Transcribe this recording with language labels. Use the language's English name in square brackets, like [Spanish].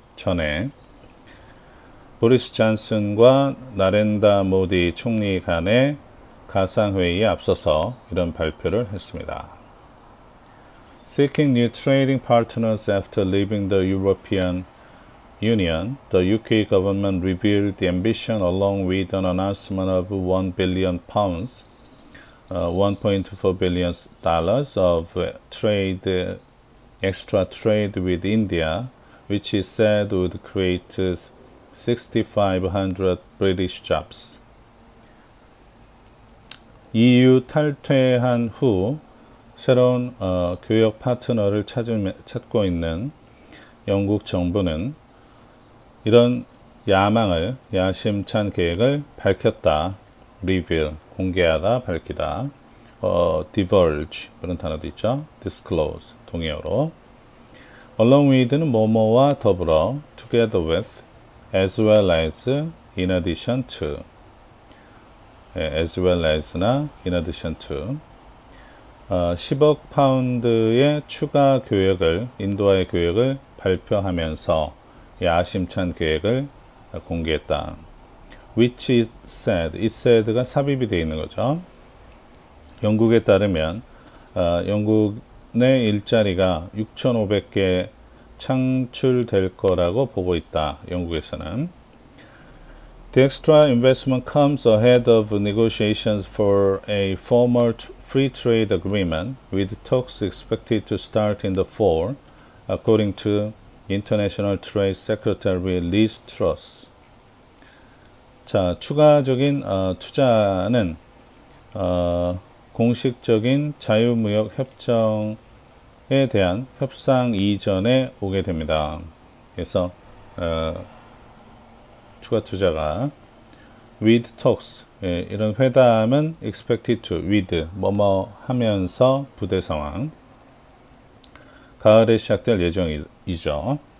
[Korean] 전에, 보리스 잔슨과 나렌다 모디 총리 간의 가상회의에 앞서서 이런 발표를 했습니다. [English] Seeking new trading partners after leaving the European Union, the UK government revealed the ambition along with an announcement of £1 billion, $1.4 billion of trade, extra trade with India, which is said would create 6,500 British jobs. [Korean] EU 탈퇴한 후 새로운 교역 파트너를 찾고 있는 영국 정부는 이런 야망을, 야심찬 계획을 밝혔다. Reveal, 공개하다, 밝히다. Divulge, 그런 단어도 있죠. [English] Disclose, [Korean] 동의어로. [English] Along with는 [Korean] 뭐뭐와 더불어, [English] together with, as well as, in addition to. As well as나 in addition to. [Korean] 10억 파운드의 추가 교역을, 인도와의 교역을 발표하면서 야심찬 계획을 공개했다. [English] Which is said. It said가 [Korean] 삽입이 되어 있는 거죠. 영국에 따르면, 영국 내 일자리가 6,500개 창출될 거라고 보고 있다. 영국에서는. [English] The extra investment comes ahead of negotiations for a formal free trade agreement, with talks expected to start in the fall, according to International Trade Secretary Liz Truss. [Korean] 자, 추가적인 투자는 공식적인 자유무역 협정에 대한 협상 이전에 오게 됩니다. 그래서 추가 투자가 [English] with talks, [Korean] 이런 회담은 [English] expected to, with, [Korean] 뭐뭐 하면서 부대 상황, 가을에 시작될 예정이죠.